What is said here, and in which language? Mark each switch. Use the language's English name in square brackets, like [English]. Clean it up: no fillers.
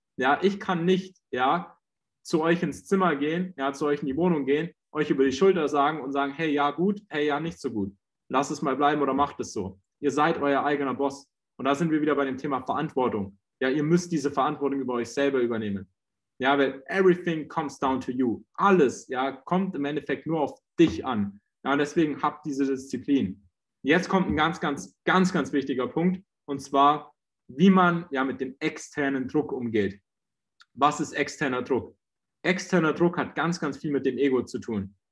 [German] Ja, ich kann nicht, ja, zu euch ins Zimmer gehen, ja, zu euch in die Wohnung gehen, euch über die Schulter sagen und sagen, hey, ja, gut, hey, ja, nicht so gut. Lasst es mal bleiben oder macht es so. Ihr seid euer eigener Boss. Und da sind wir wieder bei dem Thema Verantwortung. Ja, ihr müsst diese Verantwortung über euch selber übernehmen. Ja, weil [English] everything comes down to you. [German] Alles, ja, kommt im Endeffekt nur auf dich an. Ja, und deswegen habt diese Disziplin. Jetzt kommt ein ganz, ganz, ganz, ganz wichtiger Punkt. Und zwar, wie man, ja, mit dem externen Druck umgeht. Was ist externer Druck? Externer Druck hat ganz, ganz viel mit dem Ego zu tun.